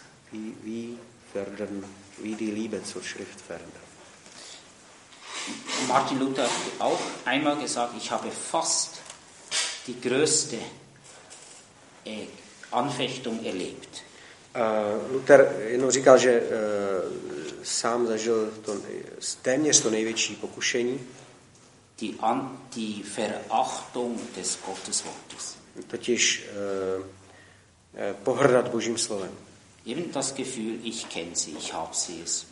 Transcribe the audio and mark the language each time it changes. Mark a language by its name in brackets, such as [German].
[German] Wie die Liebe zur Schrift fördern. Martin Luther hat auch einmal gesagt, ich habe fast die größte Anfechtung erlebt. [Czech] Luther jenom říkal, že sám zažil to, téměř to největší pokušení. [German] Die Verachtung des Gottes Wortes. [Czech] Totiž pohrdat Božím slovem. [German] Eben das Gefühl, ich kenne sie, ich habe sie.